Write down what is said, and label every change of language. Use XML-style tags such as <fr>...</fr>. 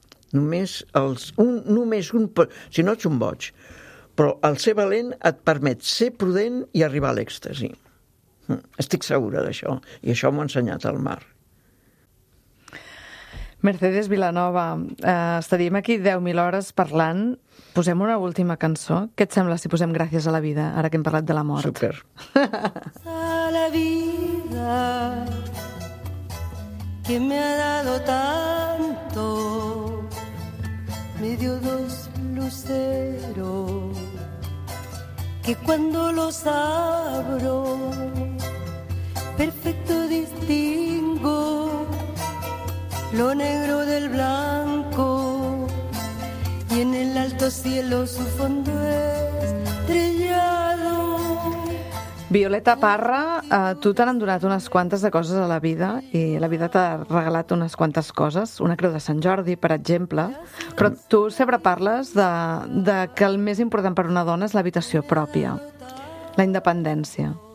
<ca>Si no ets un boig, però el ser valent et permet ser prudent i arribar a l'èxtasi. Estic segura d'això, i això m'ho ha ensenyat el mar. Mercedes Vilanova, estaríem aquí 10.000 hores parlant. Posem una última cançó. Què et sembla si posem Gràcies a la vida, ara que hem parlat de la mort? Super.</ca> <es>A la vida que me ha dado tanto, me dio dos luceros que cuando los abro perfecto distingo lo negro del blanco, y en el alto cielo su fondo estrellado.</es> <ca>Violeta Parra, tu t'han donat unes quantes de coses a la vida, i la vida t'ha regalat unes quantes coses, una creu de Sant Jordi, per exemple, però tu sempre parles de que el més important per una dona és l'habitació pròpia, la independència.</ca>